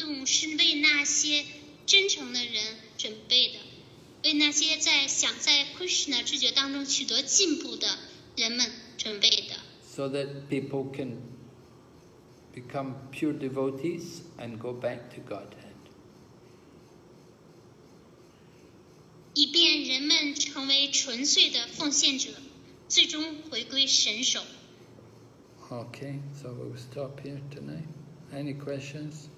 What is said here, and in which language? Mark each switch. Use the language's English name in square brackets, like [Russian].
[Chinese] 是为那些真诚的人准备的，为那些在想在 Krishna 知觉当中取得进步的人们准备的。 [English] So that people can become pure devotees and go back to Godhead. [Chinese] 以便人们成为纯粹的奉献者，最终回归神手。 [English] Okay, so we'll stop here tonight. Any questions?